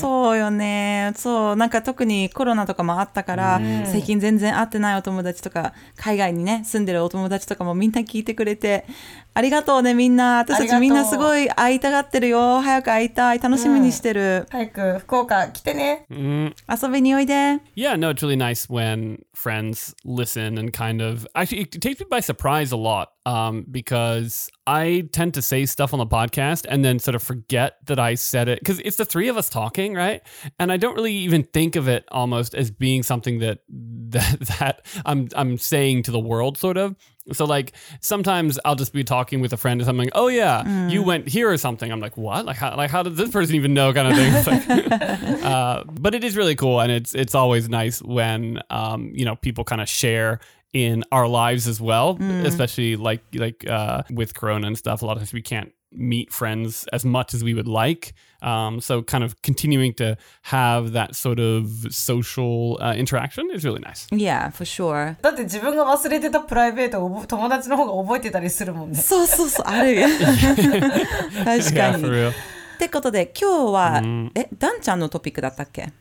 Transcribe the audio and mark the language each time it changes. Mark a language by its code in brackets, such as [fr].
[ja] そうよねそうなんか特にコロナとかもあったから、最近全然会ってないお友達とか海外にね住んでるお友達とかもみんな聞いてくれてありがとうねみんな私たちみんなすごい会いたがってるよ早く会いたい楽しみにしてる、早く福岡来てね、遊びにおいで [en] Yeah, no, it's really nice when friends listen and kind of actually it takes me by surprise a lot because I tend to say stuff on the podcast and then sort of forget that I said it because it's the three of us talking right and I don't really even think of it almost as being something that I'm saying to the world sort of So, like, sometimes I'll just be talking with a friend and something, oh, yeah, you went here or something. I'm like, what? Like, how did this person even know kind of thing? Like, but it is really cool. And it's always nice when, people kind of share in our lives as well, especially like with Corona and stuff. A lot of times we can't meet friends as much as we would like. So kind of continuing to have that sort of social interaction is really nice. Yeah, for sure. [ja] だって自分が忘れてたプライベートを友達の方が覚えてたりするもんね。そうそうそう、ある。確かに。 [en] Yeah, for real. [ja] ってことで今日は、ダンちゃんのトピックだったっけ？